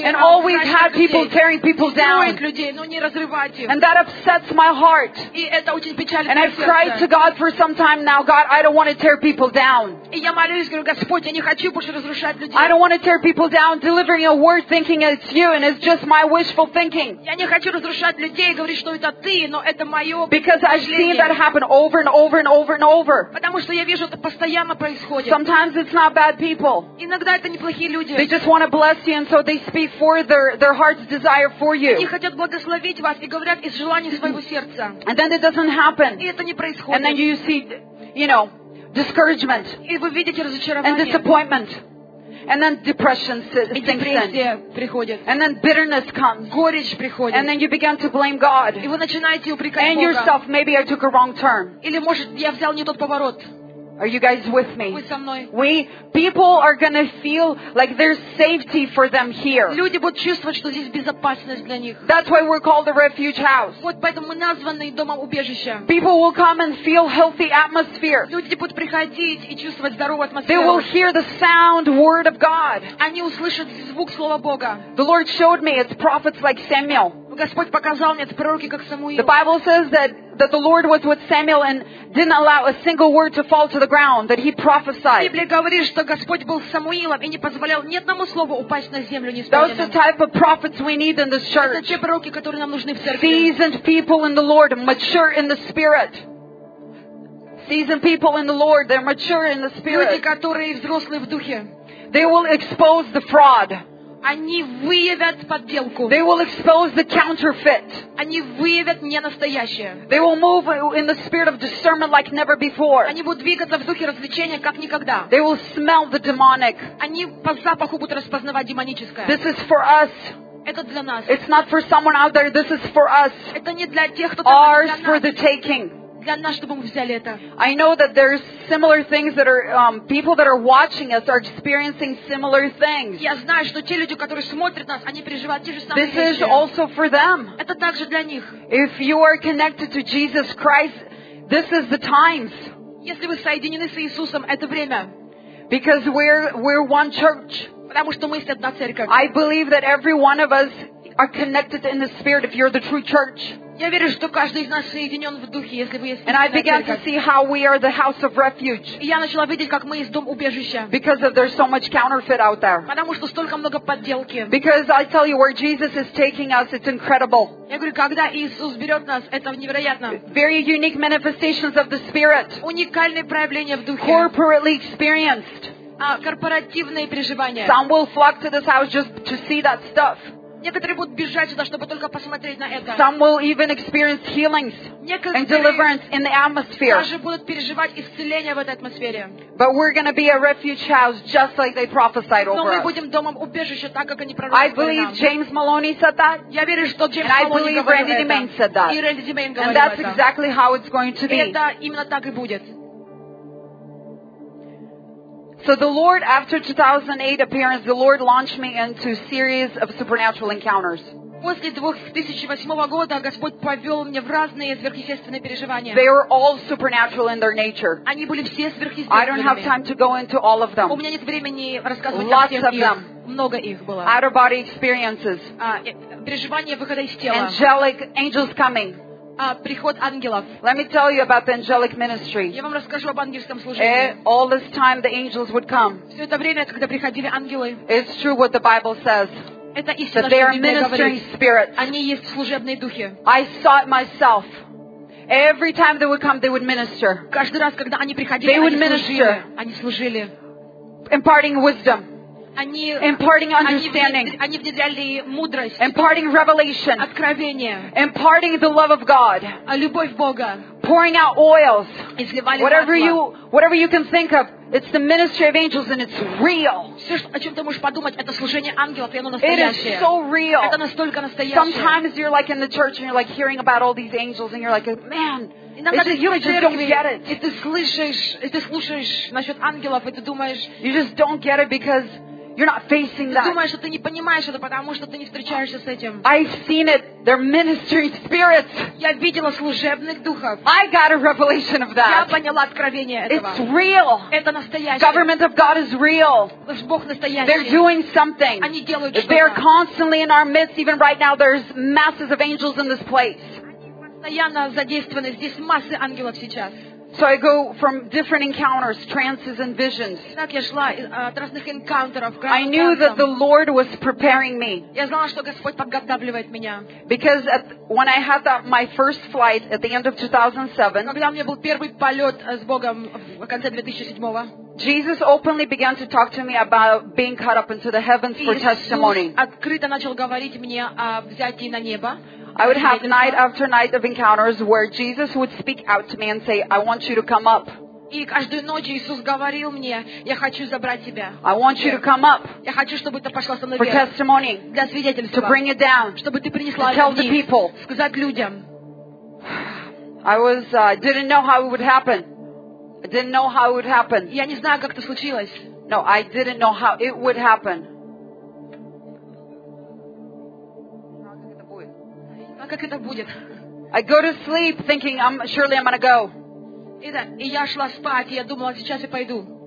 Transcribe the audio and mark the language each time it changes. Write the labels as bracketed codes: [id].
[en] And all we've had people tearing people down. And that upsets my heart. [ru] И это очень печалит. [en] And I've cried to God for some time now. God, I don't want to tear people down. [ru] И я молюсь, говорю, Господь, я не хочу больше разрушать людей. [en] I don't want to tear people down, delivering a word, thinking it's you, and it's just my wishful thinking. [ru] Я не хочу разрушать людей, говорить, что это ты, но это мое. [en] Because I've seen that happen over and over and over and over. [ru] Потому что я вижу, это постоянно происходит. [en] Sometimes it's not bad people. [ru] Иногда это неплохие люди. [en] They just want to bless you, and so they speak for their heart's desire for you. [ru] Они хотят благословить вас и говорят из желания своего сердца. [en] And then it doesn't happen. [ru] И это не происходит. [en] And then you see, you know, discouragement. [ru] И вы видите разочарование. [en] And disappointment. And then depression sinks in. And then bitterness comes. [ru] Горечь приходит. [en] And then you begin to blame God. [ru] И вы начинаете упрекать Бога. [en] And yourself, maybe I took a wrong turn. [ru] Или может я взял не тот поворот. [en] Are you guys with me? We people are going to feel like there's safety for them here. [ru] Люди будут чувствовать, что здесь безопасность для них. [en] That's why we're called the refuge house. [ru] Вот поэтому мы названы домом убежища. [en] People will come and feel healthy atmosphere. [ru] Люди будут приходить и чувствовать здоровую атмосферу. [en] They will hear the sound word of God. [ru] Они услышат звук слова Бога. [en] The Lord showed me it's prophets like Samuel. [ru] Господь показал мне, это пророки как Самуил. [en] The Bible says that the Lord was with Samuel and didn't allow a single word to fall to the ground, that he prophesied. [ru] Библия говорит, что Господь был с Самуилом и не позволял ни одному слову упасть на землю. [en] Those are the type of prophets we need in this church. [ru] Это те пророки, которые нам нужны в церкви. [en] Seasoned people in the Lord, mature in the Spirit. Seasoned people in the Lord, they're mature in the Spirit. [ru] Люди, которые взрослые в духе. [en] They will expose the fraud. [ru] Они выявят подделку. [en] They will expose the counterfeit. [ru] Они выявят ненастоящее. [en] They will move in the spirit of discernment like never before. [ru] Они будут двигаться в духе развлечения как никогда. [en] They will smell the demonic. [ru] Они по запаху будут распознавать демоническое. [en] This is for us. [ru] Это для нас. [en] It's not for someone out there. This is for us. [ru] Это не для тех, кто там. [en] Ours for the taking. I know that there's similar things that are people that are watching us are experiencing similar things. [ru] Я знаю, что те люди, которые смотрят нас, они переживают те же самые вещи. [en] This is also for them. [ru] Это также для них. [en] If you are connected to Jesus Christ, this is the times. [ru] Если вы соединены с Иисусом, это время. [en] Because we're one church. [ru] Потому что мы есть одна церковь. [en] I believe that every one of us are connected in the spirit if you're the true church. [ru] Я верю, что каждый из нас соединен в духе, если вы есть. [en] And I began to see how we are the house of refuge. [ru] И я начала видеть, как мы есть дом убежища. [en] Because there's so much counterfeit out there. [ru] Потому что столько много подделки. [en] Because I tell you where Jesus is taking us, it's incredible. [ru] Я говорю, когда Иисус берет нас, это невероятно. [en] Very unique manifestations of the Spirit. [ru] Уникальные проявления в духе. [en] Corporately experienced. [ru] Корпоративные переживания. [en] Some will flock to this house just to see that stuff. [ru] Некоторые будут бежать сюда, чтобы только посмотреть на это. [en] Some will even experience healings and deliverance in the atmosphere. [ru] Некоторые будут переживать исцеление в этой атмосфере. [en] But we're going to be a refuge house just like they prophesied over us. [ru] Но мы будем домом убежища, так как они пророчили нам. [en] I believe James Maloney said that. [ru] Я верю, что Джеймс Малони говорил это. [en] And I believe Randy Demain said that. [ru] И Рэнди Демейн говорил это. [en] And that's exactly how it's going to be. [ru] И это именно так и будет. [en] So the Lord, after 2008 appearance, the Lord launched me into a series of supernatural encounters. [ru] После 2008 года Господь повел меня в разные сверхъестественные переживания. [en] They are all supernatural in their nature. [ru] Они были все сверхъестественными. [en] I don't have time to go into all of them. [ru] У меня нет времени рассказывать [en] Lots [ru] о всех [en] of them. [ru] Их. Много их было. [en] Out of body experiences. [ru] Переживания выхода из тела. [en] Angelic angels coming. [ru] Приход ангелов. [en] Let me tell you about the angelic ministry. [ru] Я вам расскажу об ангельском служении. [en] All this time the angels would come. [ru] Все это время, когда приходили ангелы. [en] It's true what the Bible says. [ru] Это истина, что Библия говорит. [en] That they are ministering spirits. [ru] Они есть служебные духи. [en] I saw it myself. Every time they would come, they would minister. [ru] Каждый раз, когда они приходили, они служили. Они служили. [en] Imparting wisdom. [ru] Они, [en] imparting understanding. [ru] Они внедряли мудрость. [en] Imparting revelation. [ru] Откровение. [en] Imparting the love of God. [ru] Любовь Бога. [en] Pouring out oils. [ru] Изливали [en] whatever [ru] масло. [en] Whatever you can think of, it's the ministry of angels and it's real. [ru] Все, о чем ты можешь подумать, это служение ангелов, и оно настоящее. [en] It is so real. [ru] Это настолько настоящее. [en] Sometimes you're like in the church and you're like hearing about all these angels and you're like, man. You just don't get it because you're not facing that. [ru] Ты думаешь, что ты не понимаешь это, потому что ты не встречаешься с этим. [en] I've seen it They're ministry spirits. [ru] Я видела служебных духов. [en] I got a revelation of that. [ru] Я поняла откровение этого. [en] It's real. [ru] Это настоящее. [en] Government of God is real. [ru] Бог настоящий. [en] They're doing something. [ru] Они делают что-то. [en] They're constantly in our midst. Even right now, there's masses of angels in this place. [ru] Постоянно задействованы. Здесь массы ангелов сейчас. [en] So I go from different encounters, trances, and visions. [ru] Так я шла от разных encounters. [en] I knew that the Lord was preparing me. [ru] Я знала, что Господь подготавливает меня. [en] Because when I had my first flight at the end of 2007. [ru] Когда у меня был первый полет с Богом в конце 2007-го. [en] Jesus openly began to talk to me about being caught up into the heavens for testimony. [ru] Иисус открыто начал говорить мне о взятии на небо. [en] I would have night after night of encounters where Jesus would speak out to me and say, I want you to come up. [ru] И каждую ночь Иисус говорил мне, я хочу забрать тебя. [en] I want you to come up. [ru] Я хочу, чтобы ты пошла со мной вверх. [en] For testimony. [ru] Для свидетельства. [en] To bring it down. [ru] Чтобы ты принесла это вниз. Сказать людям. [en] I was, didn't know how it would happen. I didn't know how it would happen. [ru] Я не знаю, как это случилось. [en] No, I didn't know how it would happen. [ru] Как это будет? [en] I go to sleep thinking surely I'm gonna go. [ru] И я шла спать, и я думала, сейчас я пойду.